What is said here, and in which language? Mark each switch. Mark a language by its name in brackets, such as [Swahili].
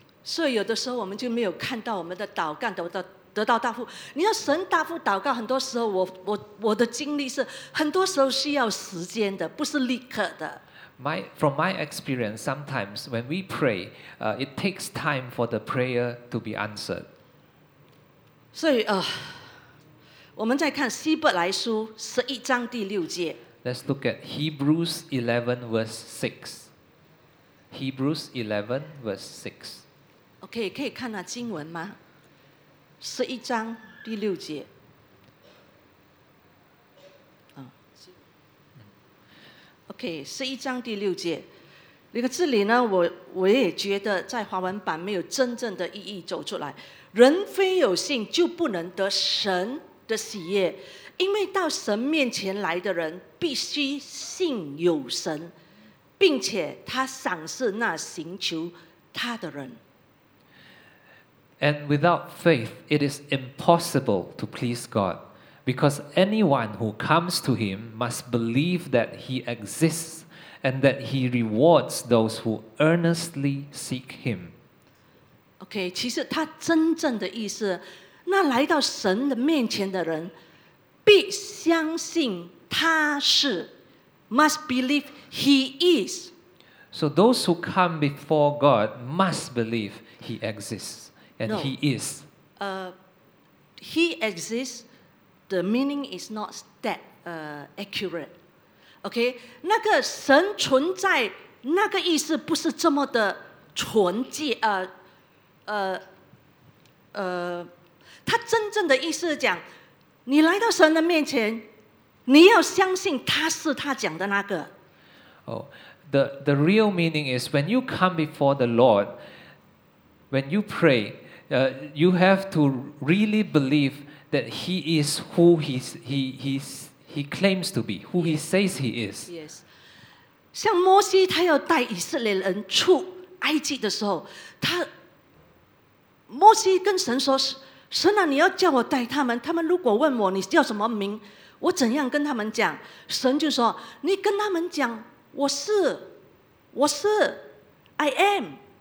[Chinese] 所以有的时候我们就没有看到我们的祷告 得到答复，你要神答复祷告，很多时候我的经历是很多时候需要时间的，不是立刻的。 [English] From my experience, sometimes when we pray, it takes time for the prayer to be answered. [Chinese] 所以, 我们再看希伯来书11章第6节。 [English] Let's look at Hebrews 11 verse 6. Hebrews 11 verse 6. [Chinese] Okay, 可以看那经文吗？ 11章第6节 OK 11章第6节 这个字里呢我也觉得在华文版没有真正的意义走出来人非有信就不能得神的喜悦因为到神面前来的人必须信有神并且他赏赐那寻求他的人 [English] And without faith, it is impossible to please God, because anyone who comes to Him must believe that He exists and that He rewards those who earnestly seek Him. [Chinese] Okay, 其实他真正的意思，那来到神的面前的人必相信他是 [English] must believe He is. So those who come before God must believe He exists. And no, he is. He exists. The meaning is not that accurate. [Chinese] Okay, 那个神存在那个意思不是这么的纯洁。他真正的意思讲，你来到神的面前，你要相信他是他讲的那个。 [English] Oh, the real meaning is when you come before the Lord, when you pray. You have to really believe that he is who he claims to be, who he says he is. Yes. [Chinese] 像摩西他要带以色列人出埃及的时候，他摩西跟神说：“神啊，你要叫我带他们。他们如果问我你叫什么名，我怎样跟他们讲？”神就说：“你跟他们讲，我是 [English] I am.